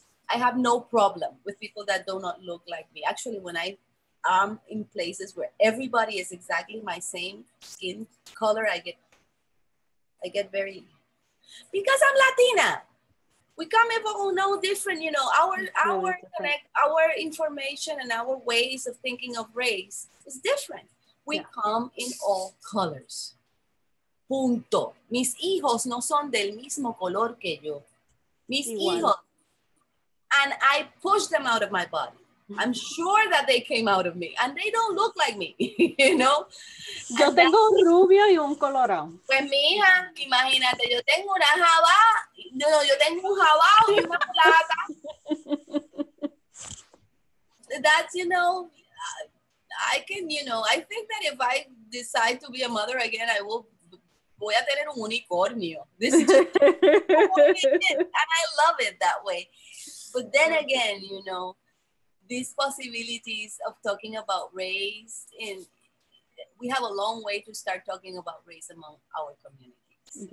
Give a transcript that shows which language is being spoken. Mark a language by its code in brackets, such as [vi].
[en] I have no problem with people that do not look like me. Actually, when I am in places where everybody is exactly my same skin color, I get very, because I'm Latina. We come here from no different, you know, our information and our ways of thinking of race is different. We come in all colors. Punto. [es] Mis hijos no son del mismo color que yo. Mis hijos. [en] And I push them out of my body. I'm sure that they came out of me. And they don't look like me, you know? [es] Yo tengo un rubio y un colorado. Pues, mi hija, imagínate, yo tengo una java. No, yo tengo un java y una plata. [en] That's, you know, I can, you know, I think that if I decide to be a mother again, I will, [es] voy a tener un unicornio. [en] This is just, and I love it that way. But then again, you know, these possibilities of talking about race, and we have a long way to start talking about race among our communities.